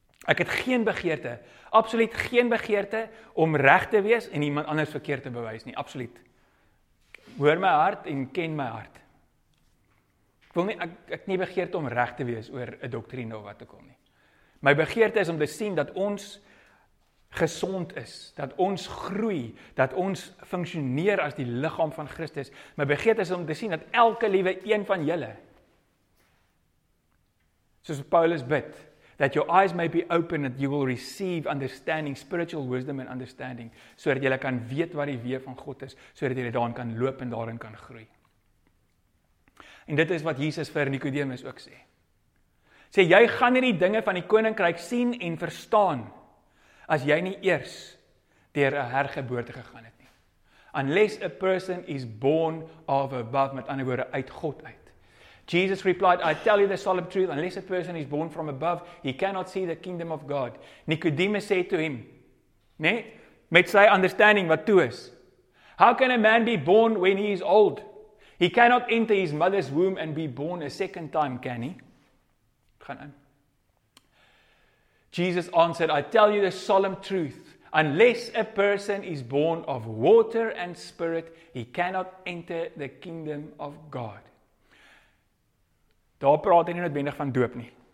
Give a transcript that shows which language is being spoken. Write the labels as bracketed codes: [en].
[af] Ek het geen begeerte, absoluut geen begeerte om reg te wees en iemand anders verkeerd te bewys nie, absoluut. Hoor my hart en ken my hart. Ek wil nie, ek nie begeerte om reg te wees oor 'n doktrine of wat ook al nie. My begeerte is om te sien dat ons gesond is, dat ons groei, dat ons funksioneer as die liggaam van Christus. My begeerte is om te sien dat elke liewe een van julle, soos Paulus bid, [en] that your eyes may be open, that you will receive understanding, spiritual wisdom and understanding, [af] so dat julle kan weet wat die weë van God is, so dat julle daarin kan loop en daarin kan groei. En dit is wat Jesus vir Nikodemus ook sê. Sê, jy gaan nie die dinge van die koninkryk sien en verstaan, as jy nie eers deur 'n hergeboorte gegaan het nie. [en] Unless a person is born of above, [af] met ander woorde, uit God uit. [en] Jesus replied, I tell you the solemn truth, unless a person is born from above, he cannot see the kingdom of God. Nicodemus said to him, [af] nee, met sy understanding wat toe is, [en] how can a man be born when he is old? He cannot enter his mother's womb and be born a second time, can he? [af] Gaan in. [en] Jesus answered, I tell you the solemn truth, unless a person is born of water and spirit, he cannot enter the kingdom of God. [af] Daar praat hy nie noodwendig van doop nie.